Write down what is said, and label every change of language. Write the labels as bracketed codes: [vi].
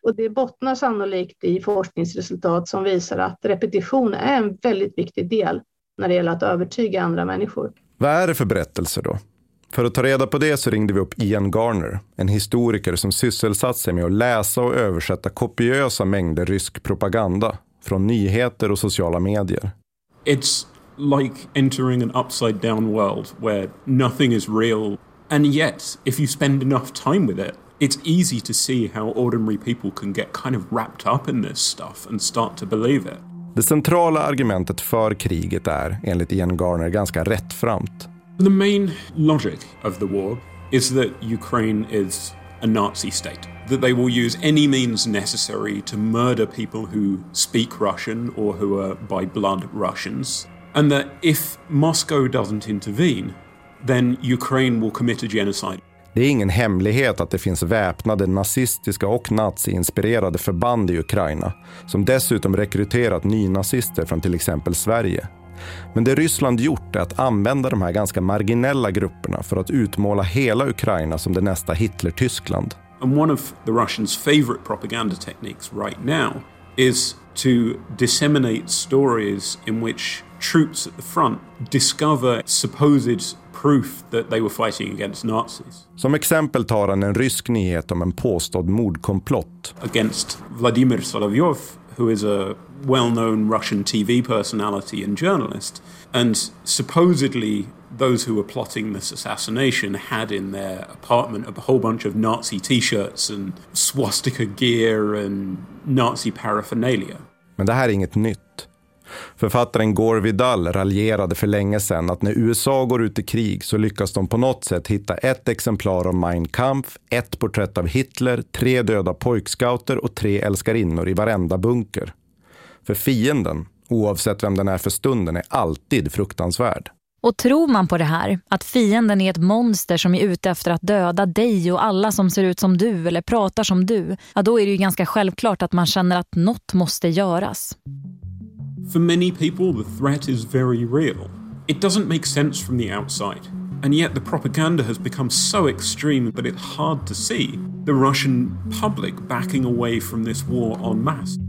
[sv] Och det bottnar sannolikt i forskningsresultat som visar att repetition är en väldigt viktig del när det gäller att övertyga andra människor. Vad är det för berättelser då? För att ta reda på det så ringde vi upp Ian Garner, en historiker som sysselsatt sig med att läsa och översätta kopiösa mängder rysk propaganda från nyheter och sociala medier. [en] It's like entering an upside down world where nothing is real. And yet, if you spend enough time with it, it's easy to see how ordinary people can get kind of wrapped up in this stuff and start to believe it. [sv] Det centrala argumentet för kriget är, enligt Ian Garner, ganska rättframt. [en] The main logic of the war is that Ukraine is a Nazi state, that they will use any means necessary to murder people who speak Russian or who are by blood Russians, and that if Moscow doesn't intervene, then Ukraine will commit a genocide. [sv] Det är ingen hemlighet att det finns väpnade nazistiska och nazi-inspirerade förband i Ukraina som dessutom rekryterat nynazister från till exempel Sverige. Men det Ryssland gjort är att använda de här ganska marginella grupperna för att utmåla hela Ukraina som det nästa Hitler-Tyskland. [en] And one of the Russians' favorite propaganda techniques right now is to disseminate stories in which troops at the front discover supposed proof that they were fighting against Nazis. [sv] Som exempel tar han en rysk nyhet om en påstådd mordkomplott [en] against Vladimir Solovyov, who is a well-known Russian TV personality and journalist, and supposedly those who were plotting this assassination had in their apartment a whole bunch of Nazi t-shirts and swastika gear and Nazi paraphernalia. [sv] Men det här är inget nytt. Författaren Gore Vidal raljerade för länge sedan att när USA går ut i krig så lyckas de på något sätt hitta ett exemplar av Mein Kampf, ett porträtt av Hitler, tre döda pojkscouter och tre älskarinnor i varenda bunker. För fienden, oavsett vem den är för stunden, är alltid fruktansvärd. Och tror man på det här, att fienden är ett monster som är ute efter att döda dig och alla som ser ut som du eller pratar som du, ja, då är det ju ganska självklart att man känner att något måste göras. [en] For many people, the threat is very real. It doesn't make sense from the outside. And yet the propaganda has become so extreme that it's hard to see the Russian public backing away from this war en masse.